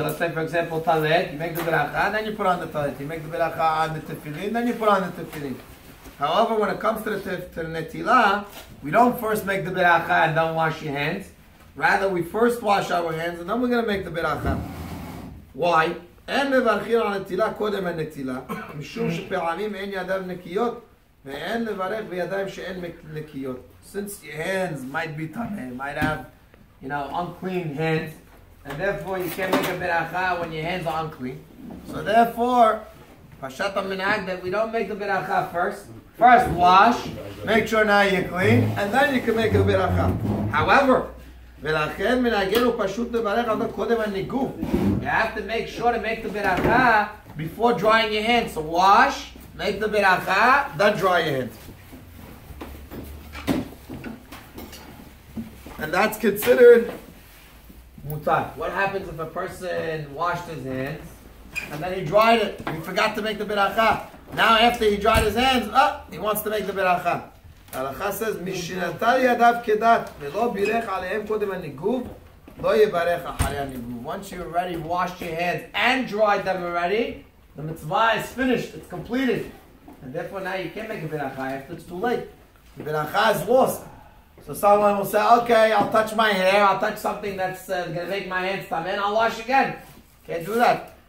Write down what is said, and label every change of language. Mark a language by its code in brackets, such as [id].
[en] Let's take, for example, talet. You make the beracha, and then you put on the talet. You make the beracha on the tefillin, then you put on the tefillin. However, when it comes to the netilah, we don't first make the beracha and then wash your hands. Rather, we first wash our hands, and then we're going to make the beracha. Why? [he] אין מברכים על נטילה קודם הנטילה, משום שפעמים אין ידיו נקיות, ואין לברך בידיים שאין נקיות. [en] Since your hands might be tame, might have, you know, unclean hands, and therefore you can't make a beracha when your hands are unclean. So therefore, [he] פשט המנהג, [en] that we don't make the beracha first. First wash, make sure now you're clean, and then you can make a beracha. [he] However, ולכן מנהגנו פשוט לברך עוד קודם הניגוף. [en] You have to make sure to make the beracha before drying your hands. So wash, make the beracha, then dry your hands. And that's considered mutar. What happens if a person washed his hands and then he dried it? He forgot to make the beracha. Now after he dried his hands, he wants to make the beracha. [he] ההלכה [en] says, [he] משנתן ידיו כדת, ולא בירך עליהם קודם הניגוב, לא יברך אחרי הניגוב. [en] Once you already washed your hands and dried them already, the mitzvah is finished, it's completed. And therefore now you can't make a beracha if it's too late. The beracha is lost. So someone will say, okay, I'll touch my hair, I'll touch something that's going to make my hands tame, and I'll wash again. Can't do that.